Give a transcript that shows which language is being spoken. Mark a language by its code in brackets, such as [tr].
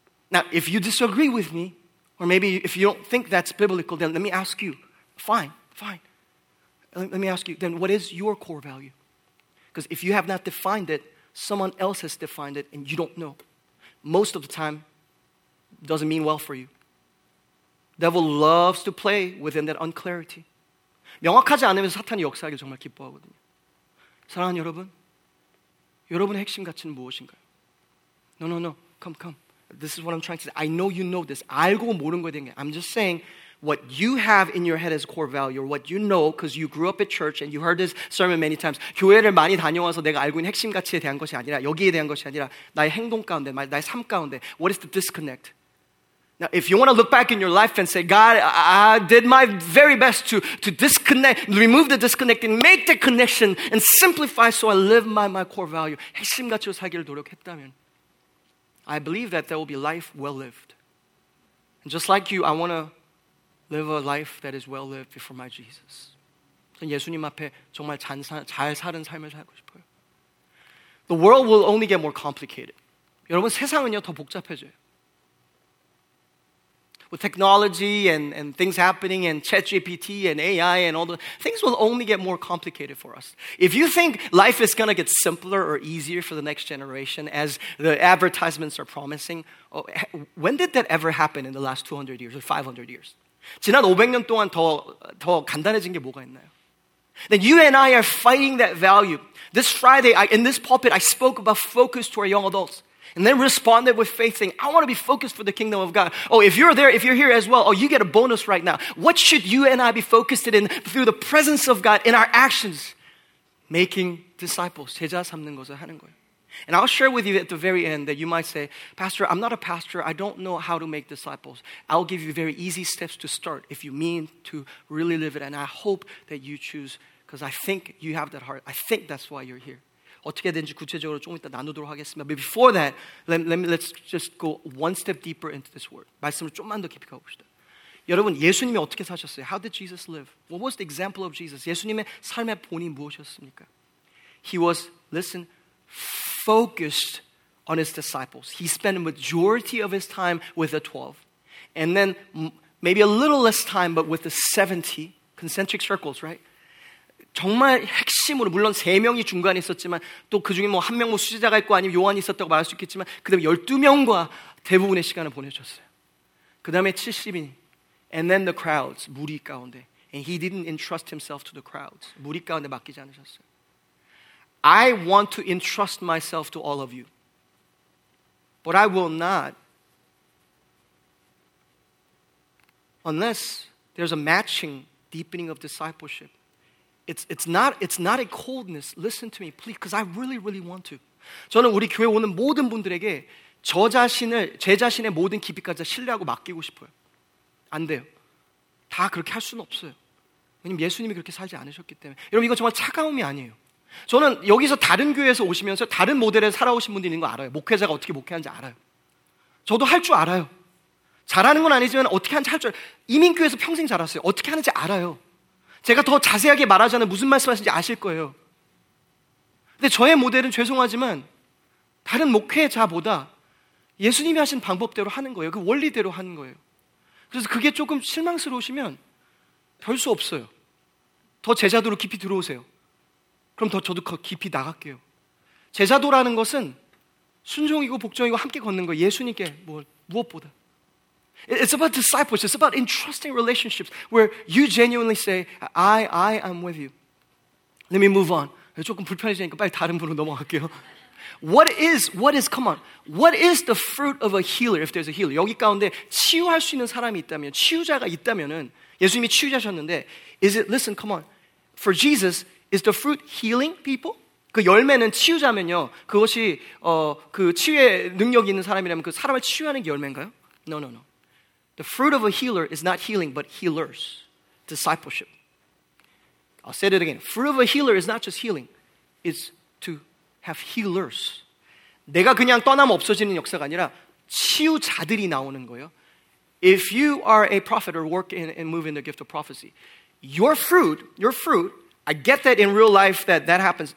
[en] Now, if you disagree with me, or maybe if you don't think that's biblical, then let me ask you, fine, fine. Let me ask you, then what is your core value? Because if you have not defined it, someone else has defined it, and you don't know. Most of the time, it doesn't mean well for you. Devil loves to play within that unclarity. [ko] 명확하지 않으면 사탄이 역사하기 정말 기뻐하거든요. 사랑하는 여러분, 여러분의 핵심 가치는 무엇인가요? [en] No, no, no. Come, come. This is what I'm trying to say. I know you know this. [ko] 알고 모르는 거에 대한 게. [en] I'm just saying what you have in your head as core value, or what you know because you grew up at church and you heard this sermon many times. [ko] 교회를 많이 다녀와서 내가 알고 있는 핵심 가치에 대한 것이 아니라 여기에 대한 것이 아니라 나의 행동 가운데, 나의 삶 가운데. [en] What is the disconnect? Now, if you want to look back in your life and say, God, I did my very best to disconnect, remove the disconnect and make the connection and simplify so I live my core value, [ko] 핵심 가치로 살기를 노력했다면, [en] I believe that there will be life well lived. And just like you, I want to live a life that is well lived before my Jesus. [ko] 전 예수님 앞에 정말 잘 사는 삶을 살고 싶어요. [en] The world will only get more complicated. [ko] 여러분, 세상은요, 더 복잡해져요. [en] With technology and things happening and ChatGPT and AI and all the things will only get more complicated for us. If you think life is going to get simpler or easier for the next generation as the advertisements are promising, oh, when did that ever happen in the last 200 years or 500 years? [ko] 지난 500년 동안 더 간단해진 게 뭐가 있나요? [en] Then you and I are fighting that value. This Friday, in this pulpit, I spoke about focus to our young adults. And then responded with faith saying, I want to be focused for the kingdom of God. Oh, if you're there, if you're here as well, oh, you get a bonus right now. What should you and I be focused in through the presence of God in our actions? Making disciples. [ko] 제자 삼는 것을 하는 거예요. [en] And I'll share with you at the very end that you might say, Pastor, I'm not a pastor. I don't know how to make disciples. I'll give you very easy steps to start if you mean to really live it. And I hope that you choose because I think you have that heart. I think that's why you're here. [ko] 어떻게 되는지 구체적으로 조금 이따 나누도록 하겠습니다. [en] But before that, let's just go one step deeper into this word. [ko] 말씀을 좀만 더 깊이 가봅시다. 여러분, 예수님이 어떻게 사셨어요? [en] How did Jesus live? What was the example of Jesus? [ko] 예수님의 삶의 본이 무엇이었습니까? [en] He was, listen, focused on his disciples. He spent the majority of his time with the 12. And then maybe a little less time, but with the 70 concentric circles, right? [ko] 정말 핵심으로 물론 세 명이 중간에 있었지만 또 그 중에 뭐 한 명 뭐 수제자가 있고 아니면 요한이 있었다고 말할 수 있겠지만 그 다음에 12명과 대부분의 시간을 보내줬어요. 그 다음에 70인 [en] and then the crowds [ko] 무리 가운데 [en] and he didn't entrust himself to the crowds [ko] 무리 가운데 맡기지 않으셨어요. [en] I want to entrust myself to all of you but I will not unless there's a matching deepening of discipleship. It's not a coldness. Listen to me, please, because I really, really want to. [ko] 저는 우리 교회 오는 모든 분들에게 저 자신을 제 자신의 모든 깊이까지 신뢰하고 맡기고 싶어요. 안 돼요. 다 그렇게 할 수는 없어요. 왜냐면 예수님이 그렇게 살지 않으셨기 때문에. 여러분 이건 정말 차가움이 아니에요. 저는 여기서 다른 교회에서 오시면서 다른 모델에서 살아오신 분들이 있는 거 알아요. 목회자가 어떻게 목회하는지 알아요. 저도 할 줄 알아요. 잘하는 건 아니지만 어떻게 하는지 할 줄 알아요. 이민교회에서 평생 자랐어요. 어떻게 하는지 알아요. 제가 더 자세하게 말하자면 무슨 말씀하시는지 아실 거예요. 근데 저의 모델은 죄송하지만 다른 목회자보다 예수님이 하신 방법대로 하는 거예요. 그 원리대로 하는 거예요. 그래서 그게 조금 실망스러우시면 별 수 없어요. 더 제자도로 깊이 들어오세요. 그럼 더 저도 깊이 나갈게요. 제자도라는 것은 순종이고 복종이고 함께 걷는 거 예수님께 무엇보다. [en] It's about discipleship. It's about entrusting relationships where you genuinely say, I am with you. Let me move on. [ko] 조금 불편해지니까 빨리 다른 분으로 넘어갈게요. [en] What is, come on, what is the fruit of a healer, if there's a healer? [ko] 여기 가운데 치유할 수 있는 사람이 있다면, 치유자가 있다면은, 예수님이 치유자셨는데, [en] is it, listen, come on, for Jesus, is the fruit healing people? [ko] 그 열매는 치유자면요, 그것이 그 치유의 능력이 있는 사람이라면 그 사람을 치유하는 게 열매인가요? [en] No. The fruit of a healer is not healing, but healers, discipleship. I'll say it again. Fruit of a healer is not just healing. It's to have healers. [ko] 내가 그냥 떠남 없어지는 역사가 아니라 치유자들이 나오는 거예요. [en] If you are a prophet or work in and move in the gift of prophecy, your fruit, I get that in real life that happens.